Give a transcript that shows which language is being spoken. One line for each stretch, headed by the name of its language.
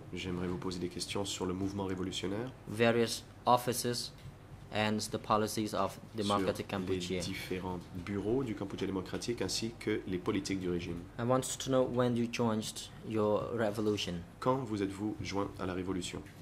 French: J'aimerais vous poser des questions sur le mouvement révolutionnaire.
English: Various offices and the policies of Democratic Cambodia.
French: Sur les différents bureaux du Cambodge démocratique ainsi que les politiques du régime.
English: I want to know when you joined your revolution.
French: Quand vous êtes-vous joint à la révolution?